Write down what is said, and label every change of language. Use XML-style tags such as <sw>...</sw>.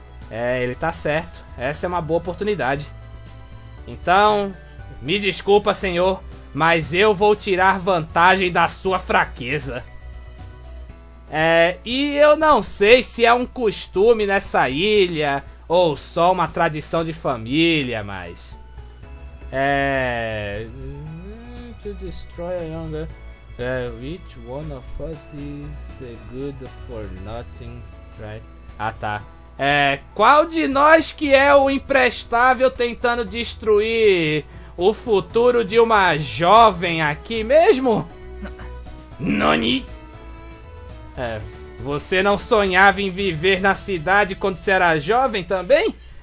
<pt>É, ele tá certo. Essa é uma boa oportunidade. Então, me desculpa, senhor, mas eu vou tirar vantagem da sua fraqueza. É, e eu não sei se é um costume nessa ilha ou só uma tradição de família, mas...</pt> <en>É... To destroy a younger... Which one of us is the good for nothing, right?</en> <pt>Ah, tá. É, qual de nós que é o imprestável tentando destruir o futuro de uma jovem aqui mesmo? Nani? É. Você não sonhava em viver na cidade quando você era jovem também?</pt>